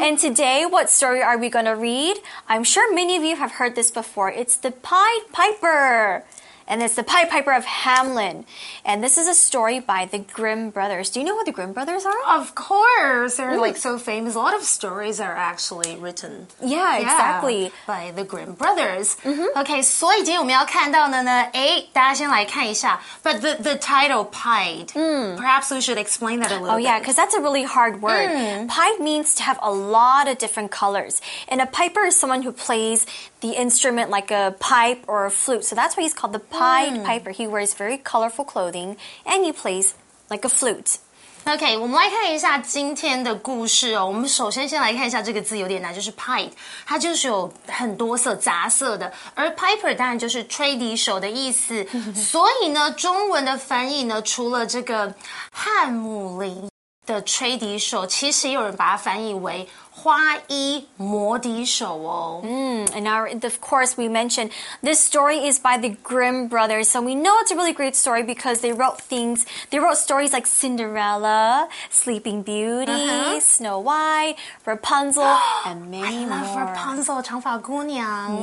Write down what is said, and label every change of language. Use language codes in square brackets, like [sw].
[en] And today, what story are we going to read? I'm sure many of you have heard this before. It's the Pied Piper. And it's the Pied Piper of Hamelin. And this is a story by the Grimm Brothers. Do you know who the Grimm Brothers are? Of course. They're like so famous. A lot of stories are actually written. Yeah, exactly. By the Grimm Brothers. Mm-hmm. [zh] Okay, 所以今天我们要看到的呢，诶，大家先来看一下。 [en] But the title, Pied, perhaps we should explain that a little bit. Oh yeah, because that's a really hard word. Pied means to have a lot of different colors. And a piper is someone who plays the instrument like a pipe or a flute. So that's why he's called the Pied Piper. He wears very colorful clothing and he plays like a flute. [zh] Okay, 我们来看一下今天的故事哦。我们首先先来看一下这个字有点难，就是 Pied. 它就是有很多色杂色的。而 Piper 当然就是吹笛手的意思。所以呢中文的翻译呢除了这个汉姆林的吹笛手，其实也有人把它翻译为花衣魔笛手哦。 [en] And now, of course, we mentioned this story is by the Grimm Brothers. So we know it's a really great story because they wrote things, they wrote stories like Cinderella, Sleeping Beauty, Snow White, Rapunzel, and many more. I love Rapunzel, 长发姑娘。